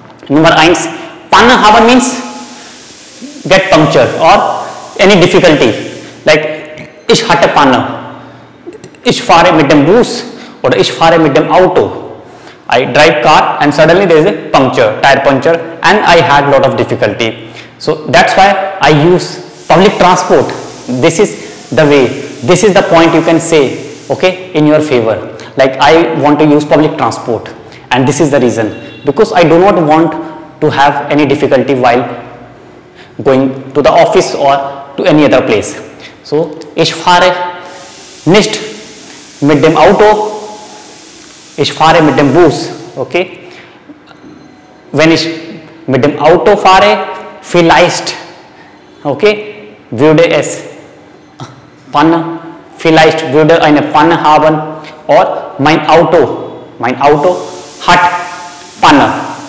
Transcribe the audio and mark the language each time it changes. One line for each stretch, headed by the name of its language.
English: Number 1, Panne haben means get puncture or any difficulty, like
German: ich hatte Panne, ich fahre mit dem Bus
English: or
German: ich fahre mit dem Auto.
English: I drive car and suddenly there is a puncture, tire puncture, and I had lot of difficulty. So that's why I use public transport. This is the way, this is the point you can say, okay, in your favor. Like I want to use public transport and this is the reason. Because I do not want to have any difficulty while going to the office or to any other place.
German: So, ich fahre nicht mit dem Auto, ich fahre mit dem Bus. Okay? Wenn ich mit dem Auto fahre, vielleicht, okay, würde es Panne, vielleicht würde eine Panne haben, or mein Auto hat Panne.